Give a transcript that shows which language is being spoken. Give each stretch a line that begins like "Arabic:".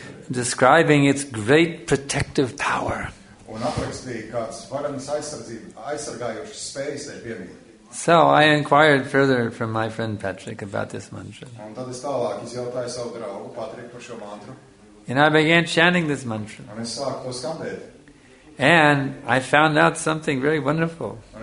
English: Describing its great protective power.
Latvian: Un aprakstīja, kāds varenas aizsargājušas spējas tajā piemīt.
English: So I inquired further from my friend Patrick about this mantra.
Latvian: Un tad es tālāk izjautāju savu draugu Patrick par šo mantru.
English: And I began chanting this mantra.
Latvian: Un es sāku to skandēt.
English: And I found out something very wonderful.